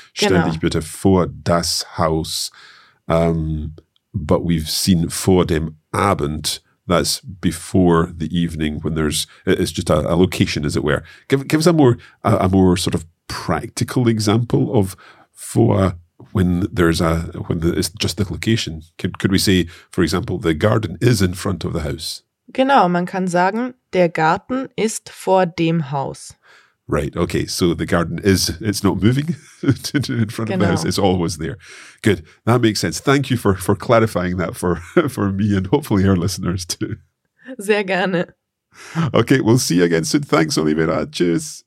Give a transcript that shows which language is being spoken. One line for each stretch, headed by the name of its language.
German: Stell dich bitte vor das Haus.
English: But we've seen vor dem Abend, that's before the evening when it's just a location, as it were. Give us a more sort of practical example of vor when it's just the location. Could we say, for example, the garden is in front of the house?
German: Genau, man kann sagen, der Garten ist vor dem Haus.
English: Right, okay, so the garden it's not moving in front of the house, it's always there. Good, that makes sense. Thank you for clarifying that for me and hopefully our listeners too.
German: Sehr gerne.
English: Okay, we'll see you again soon. Thanks, Olivera. Tschüss.